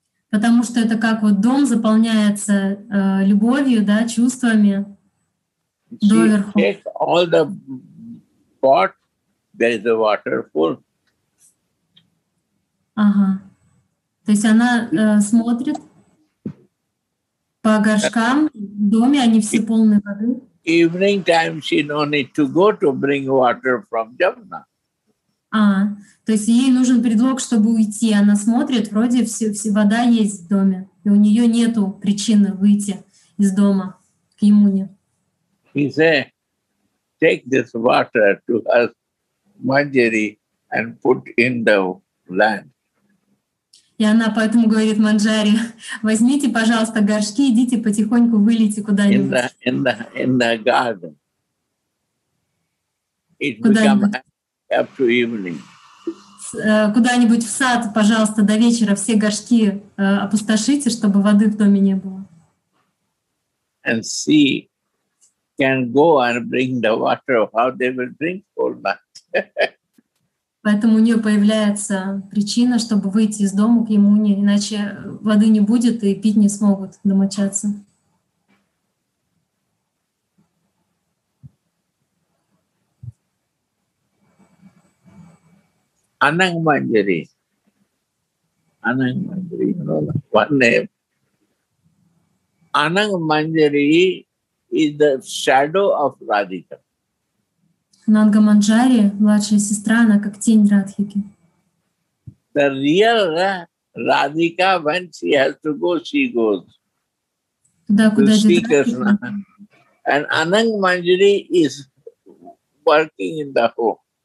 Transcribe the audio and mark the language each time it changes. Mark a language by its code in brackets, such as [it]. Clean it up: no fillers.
[ru] Потому что это как вот дом заполняется любовью, да, чувствами. Доверху. [en] She takes all the pot, there is the water full. [ru] Ага. То есть она смотрит по горшкам в доме, они все полны воды. [en] Evening time she no need to go to bring water from Jamuna. [ru] А, то есть ей нужен предлог, чтобы уйти. Она смотрит, вроде все вода есть в доме, и у нее нету причины выйти из дома к Ямуне. [en] He said, take this water to us, Manjari, and put in the land. [ru] И она поэтому говорит Манджари, возьмите, пожалуйста, горшки, идите потихоньку, вылейте куда-нибудь. [en] In the garden. It up to evening. [ru] Куда-нибудь в сад, пожалуйста, до вечера все горшки опустошите, чтобы воды в доме не было. [en] And see, can go and bring the water, how they will drink all that. [ru] Поэтому у нее появляется причина, чтобы выйти из дома к Ямуне, иначе воды не будет и пить не смогут домочадцы. [en] Ананг Манджари. Ананг Манджари, one name. Ананг Манджари is the shadow of Radhika. [ru] Нанга Манджари, младшая сестра, она как тень Радхики. [en] The real Radhika, when she has to go, she goes. [ru] Туда, куда же Радхика. [en] And Ananga Manjari is working in the home.